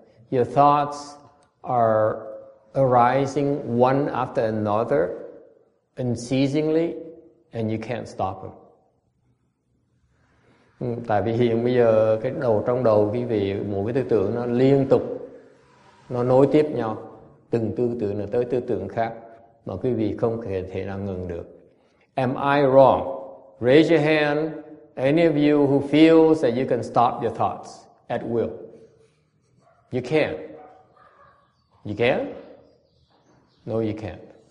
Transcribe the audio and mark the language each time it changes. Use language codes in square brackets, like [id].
[en] Your thoughts are arising one after another, unceasingly, and you can't stop them. [vi] Tại vì hiện bây giờ cái đầu trong đầu quý vị một cái tư tưởng nó liên tục, nó nối tiếp nhau, từng tư tưởng tới tư tưởng khác mà quý vị không thể nào ngừng được. [en] Am I wrong? Raise your hand, any of you who feels that you can stop your thoughts at will. You can't. You can? No, you can't.